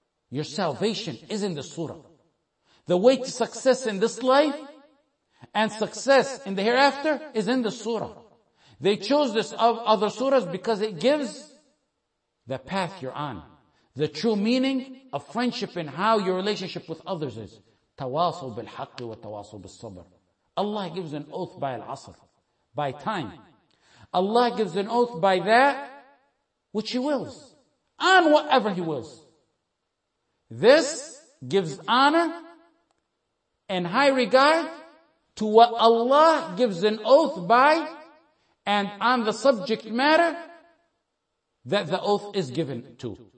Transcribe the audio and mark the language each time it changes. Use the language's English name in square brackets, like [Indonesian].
[English] Your salvation is in the surah. The way to success in this life and success in the hereafter is in the surah. They chose this of other surahs because it gives the path you're on. The true meaning of friendship and how your relationship with others is. [Arabic] تواصل بالحق وتواصل بالصبر. [English] Allah gives an oath by al-asr, by time. Allah gives an oath by that which He wills, on whatever He wills. This gives honor and high regard to what Allah gives an oath by and on the subject matter that the oath is given to.